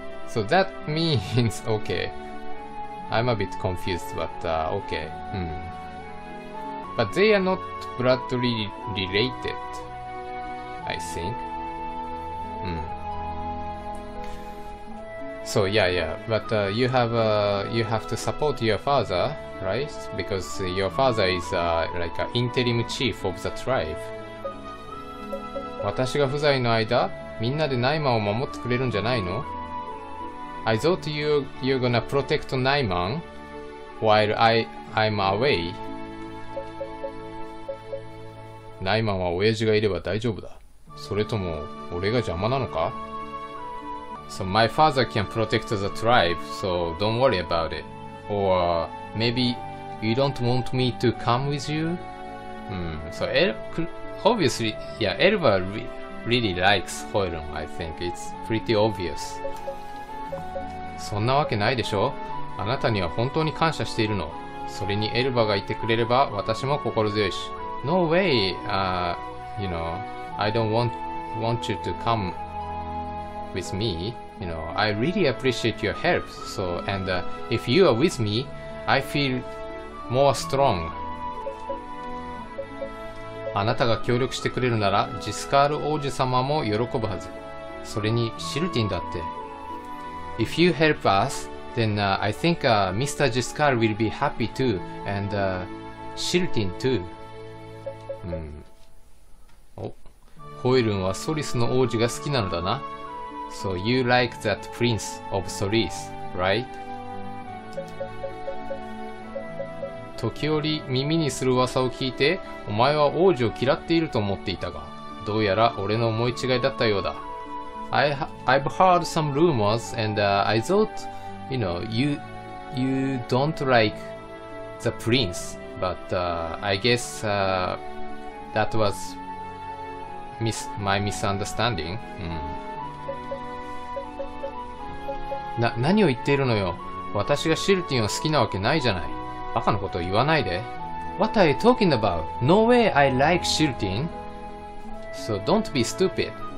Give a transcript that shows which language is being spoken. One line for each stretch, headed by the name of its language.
English: So that means, okay. I'm a bit confused, but okay.、But they are not bloodly related, I think.、So yeah. But you have to support your father, right? Because your father is like an interim chief of the tribe.
Japanese: 私が不在の間、みんなでナイマを守ってくれるんじゃないの？
English: I thought you're gonna protect Naiman while I'm away.
Japanese: Naiman は親父がいれば大丈夫だ。それとも俺が邪魔なのか？
English: So my father can protect the tribe, so don't worry about it. Or maybe you don't want me to come with you? So obviously, yeah, Elva really likes Hoyrun, I think. It's pretty obvious.
Japanese: そんなわけないでしょ。あなたには本当に感謝しているの。それにエルバがいてくれれば私も心強いし。
English: No way, you know, I don't want you to come with me. You know, I really appreciate your help. So, and if you are with me, I feel more strong.
Japanese: あなたが協力してくれるならジスカール王子様も喜ぶはず。それにシルティンだって。
English: If you help us, then I think Mr. Jiskar will be happy too, and Shiltin too.
Japanese: ホイルンはソリスの王子が好きなのだな。
English: So you like that prince of Solis, right?
Japanese: 時折耳にする噂を聞いて、お前は王子を嫌っていると思っていたが、どうやら俺の思い違いだったようだ。
English: I've heard some rumors, and I thought, you know, you don't like the prince, but I guess that was my misunderstanding.
Japanese: 何を言っているのよ。私がシルティンを好きなわけないじゃない。バカなことを言わないで。
English: What are you talking about? No way I like Shiltin. So don't be stupid.